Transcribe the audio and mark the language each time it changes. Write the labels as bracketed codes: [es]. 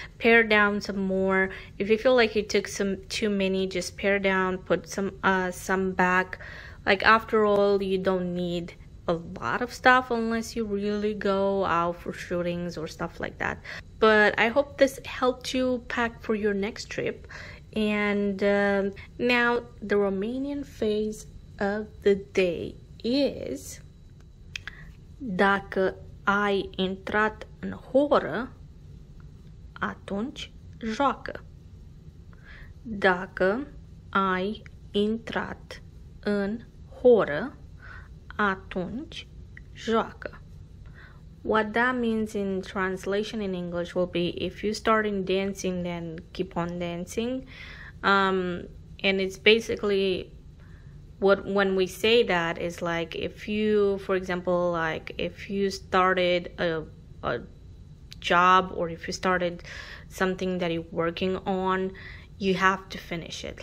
[en] Pare down some more. If you feel like you took some too many, just pare down, put some back. Like, after all, you don't need a lot of stuff unless you really go out for shootings or stuff like that. But I hope this helped you pack for your next trip. And now the Romanian phrase of the day is, [ro] dacă ai intrat în horă, atunci joacă. Dacă ai intrat în horă, atunci joacă. [en] What that means in translation in English will be, if you start in dancing, then keep on dancing. And it's basically what, when we say that, is like, if you, for example, like if you started a job, or if you started something that you're working on, you have to finish it.